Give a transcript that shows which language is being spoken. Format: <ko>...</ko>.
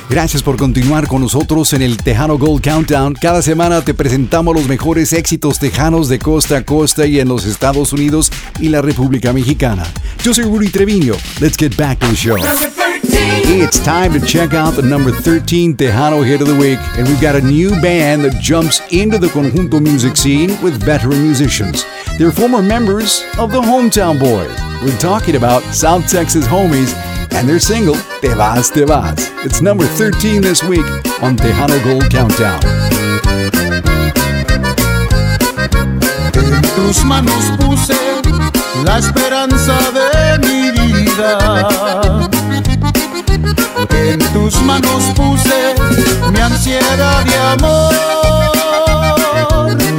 <es>Gracias por continuar con nosotros en el Tejano Gold Countdown. Cada semana te presentamos los mejores éxitos tejanos de costa a costa y en los Estados Unidos y la República Mexicana.</es> <en>Yo soy Rudy Treviño. Let's get back to the show. It's time to check out the number 13 Tejano Hit of the Week. And we've got a new band that jumps into the conjunto music scene with veteran musicians. They're former members of the Hometown Boys. We're talking about South Texas Homies and their single, Te Vas, Te Vas. It's number 13 this week on Tejano Gold Countdown.</en> <es>En tus manos puse la esperanza de mi vida. En tus manos puse mi ansiedad de amor.</es>